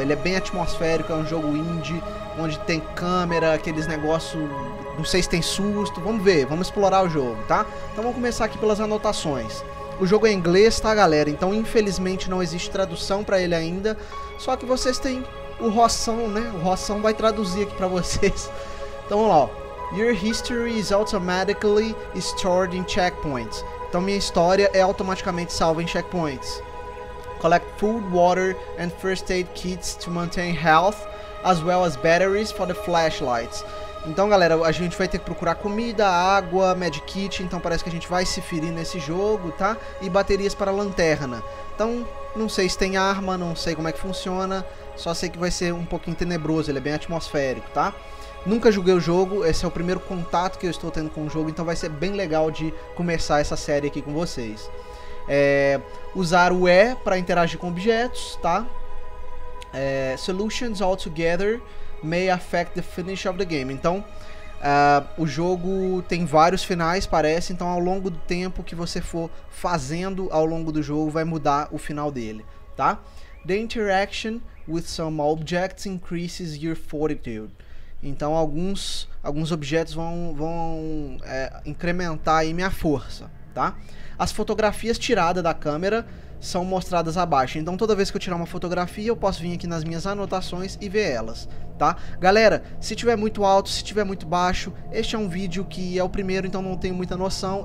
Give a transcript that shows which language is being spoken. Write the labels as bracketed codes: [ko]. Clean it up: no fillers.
[pt] Ele é bem atmosférico, é um jogo indie, onde tem câmera, aqueles negócios, não sei se tem susto, vamos ver, vamos explorar o jogo, tá? Então vamos começar aqui pelas anotações. O jogo é em inglês, tá, galera? Então, infelizmente, não existe tradução pra ele ainda. Só que vocês têm o Rossão, né? O Rossão vai traduzir aqui pra vocês. Então, vamos lá, ó. [en] Your history is automatically stored in checkpoints. [pt] Então, minha história é automaticamente salva em checkpoints. [en] Collect food, water and first aid kits to maintain health, as well as batteries for the flashlights. [pt] Então, galera, a gente vai ter que procurar comida, água, medkit, então parece que a gente vai se ferir nesse jogo, tá? E baterias para lanterna. Então, não sei se tem arma, não sei como é que funciona, só sei que vai ser um pouquinho tenebroso, ele é bem atmosférico, tá? Nunca joguei o jogo, esse é o primeiro contato que eu estou tendo com o jogo, então vai ser bem legal de começar essa série aqui com vocês. Usar o E para interagir com objetos, tá? [en] Solutions all together may affect the finish of the game. [pt] Então, o jogo tem vários finais, parece. Então, ao longo do tempo que você for fazendo ao longo do jogo, vai mudar o final dele, tá? [en] The interaction with some objects increases your fortitude. [pt] Então, alguns objetos vão incrementar aí minha força, tá? As fotografias tiradas da câmera são mostradas abaixo. Então, toda vez que eu tirar uma fotografia, eu posso vir aqui nas minhas anotações e ver elas, tá? Galera, se tiver muito alto, se tiver muito baixo, este é um vídeo que é o primeiro, então não tenho muita noção.